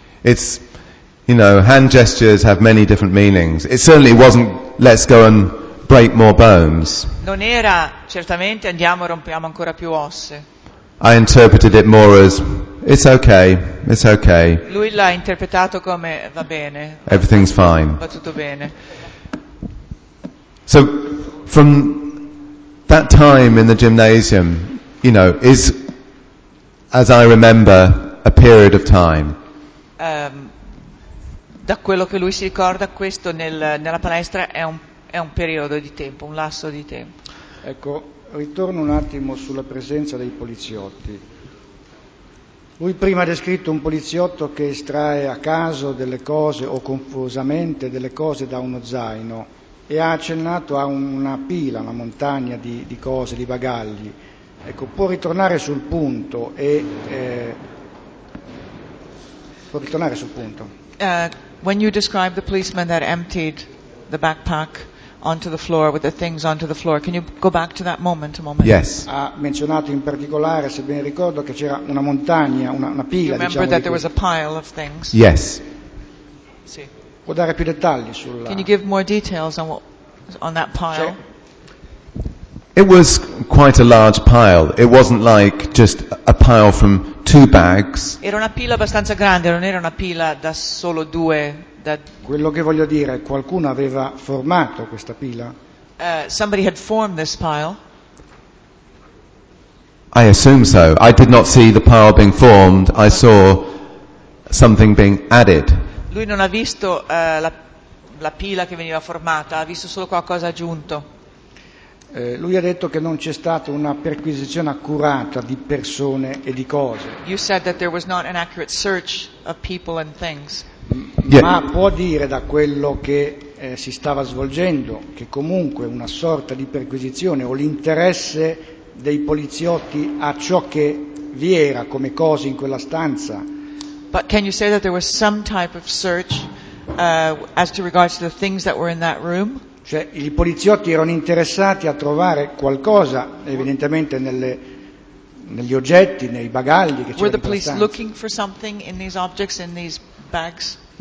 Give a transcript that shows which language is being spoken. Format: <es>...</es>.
<en>It's, you know, hand gestures have many different meanings. It certainly wasn't let's go and break more bones.</en> <it>Non era certamente andiamo e rompiamo ancora più ossa.</it> <en>I interpreted it more as it's okay, it's okay.</en> <it>Lui l'ha interpretato come va bene.</it> <en>Everything's fine.</en> <it>Va tutto bene.</it> <en>So from that time in the gymnasium, you know, is as I remember a period of time.</en> <it>Da quello che lui si ricorda questo nella palestra è un periodo di tempo, un lasso di tempo. Ecco, ritorno un attimo sulla presenza dei poliziotti. Lui prima ha descritto un poliziotto che estrae a caso delle cose o confusamente delle cose da uno zaino e ha accennato a una pila, una montagna di cose, di bagagli. Ecco, può ritornare sul punto e può ritornare sul punto.</it> <en>When you describe the policeman that emptied the backpack onto the floor with the things onto the floor, can you go back to that moment a moment? Yes.</en> <it>Ha menzionato in particolare, se ben ricordo, che c'era una montagna, una pila, diciamo.</it> <en>Remember that there was a pile of things. Yes.</en> <it>Sì. Può dare più dettagli sulla.</it> <en>Can you give more details on that pile? It was quite a large pile. It wasn't like just a pile from two bags.</en> <it>Era una pila abbastanza grande, non era una pila da solo due. Quello che voglio dire è qualcuno aveva formato questa pila.</it> <en>Somebody had formed this pile. I assume so. I did not see the pile being formed. I saw something being added.</en> <it>Lui non ha visto la pila che veniva formata, ha visto solo qualcosa aggiunto. Lui ha detto che non c'è stata una perquisizione accurata di persone e di cose.</it> <en>You said that there was not an accurate search of people and things. Yeah.</en> <it>Ma può dire da quello che si stava svolgendo che comunque una sorta di perquisizione o l'interesse dei poliziotti a ciò che vi era come cose in quella stanza.</it> <en>But can you say that there was some type of search as to regards to the things that were in that room?</en> <it>Cioè i poliziotti erano interessati a trovare qualcosa evidentemente negli oggetti, nei bagagli che</it> <en>were the police looking for something in these objects, in these bags?</en>